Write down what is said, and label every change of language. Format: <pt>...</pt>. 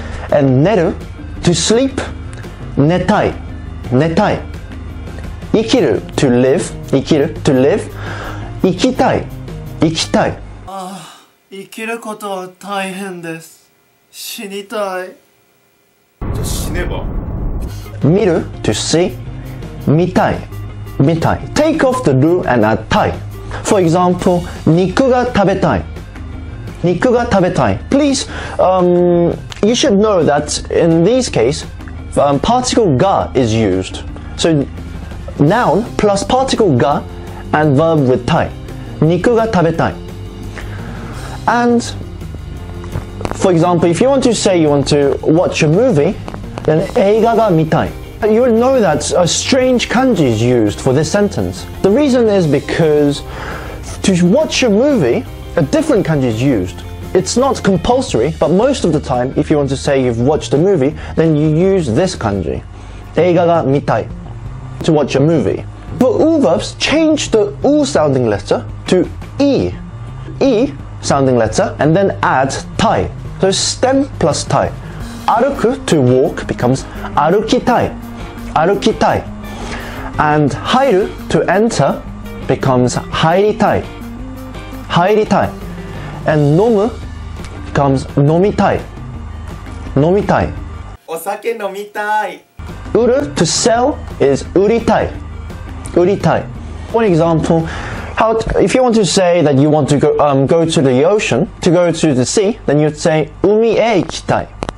<en>And 寝る, to sleep, 寝たい. 生きる, to live, 生きる, to live, 生きたい.</en> <ja>ああ、生きることは大変です。死にたい。じゃあ死ねば。</ja> <en>見る, to see, 見たい.Take off the ru and add tai. For example,</en> <ja>肉が食べたい.</ja> <en>Please, you should know that in this case, particle が is used. So, noun plus particle が and verb with tai.</en> <ja>肉が食べたい.</ja> <en>And, for example, if you want to say you want to watch a movie, then</en> <ja>映画が見たい.</ja> <en>You would know that a strange kanji is used for this sentence. The reason is because to watch a movie, a different kanji is used. It's not compulsory, but most of the time, if you want to say you've watched a movie, then you use this kanji.</en> <ja>映画が見たい,</ja> <en>to watch a movie. But U verbs change the U sounding letter to E. E sounding letter, and then add tai. So stem plus tai. 歩く, to walk, becomes 歩きたい. 歩きたい and 入る to enter becomes 入りたい and 飲む becomes 飲みたい</en> <ja>お酒飲みたい</ja> <en>売る to sell is 売りたい One example, if you want to say that you want to go to the ocean, to go to the sea, then you'd say</en> <ja>海へ行きたい</ja>